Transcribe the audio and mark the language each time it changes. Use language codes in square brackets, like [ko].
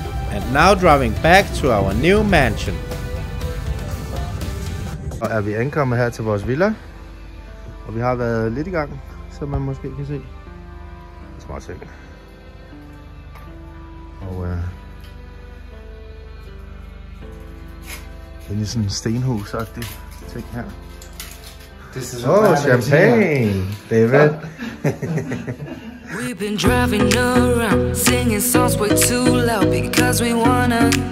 [en] And now driving back to our new mansion. [da] Og er vi ankommet her til vores villa, og vi har været lidt i gang, som man måske kan se. Små ting. Og det er lige sådan en stenhus-agtig ting her. Åh, champagne, David! [en] We've been driving around, singing songs way too loud, because we wanna